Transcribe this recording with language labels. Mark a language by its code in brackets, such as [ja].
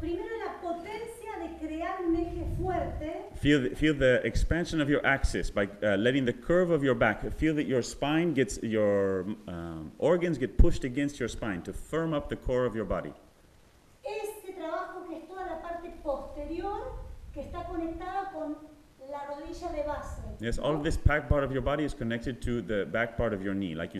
[es] Primero, la potencia de crear un eje fuerte. [en] Feel the expansion of your axis by letting the curve of your back. Feel that your spine gets, your organs get pushed against your spine to firm up the core of your body. [es] Este trabajo que es toda la parte posterior que está conectada con la rodilla de base. [en] Yes, all of this back part of your body is connected to the back part of your knee, like you